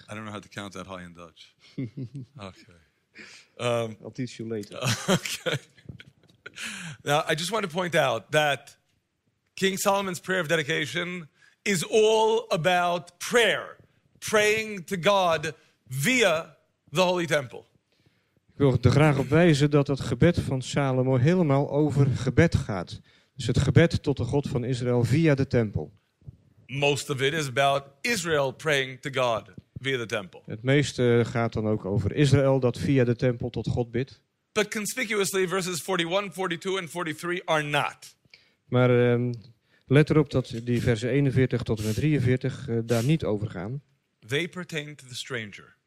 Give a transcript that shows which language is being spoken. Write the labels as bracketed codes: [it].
[en] I don't know how to count that high in Dutch. Okay. I'll teach you later. Okay. Now, I just want to point out that King Solomon's prayer of dedication is all about prayer. Praying to God via the Holy Temple. [nl] Ik wil er graag op wijzen dat het gebed van Salomo helemaal over gebed gaat. Dus het gebed tot de God van Israël via de tempel. [en] Most of it is about Israel praying to God via the temple. [nl] Het meeste gaat dan ook over Israël dat via de tempel tot God bidt. [en] But conspicuously verses 41, 42 and 43 are not. [nl] Maar let erop dat die versen 41 tot en met 43 daar niet over gaan. [en] They pertain to the stranger.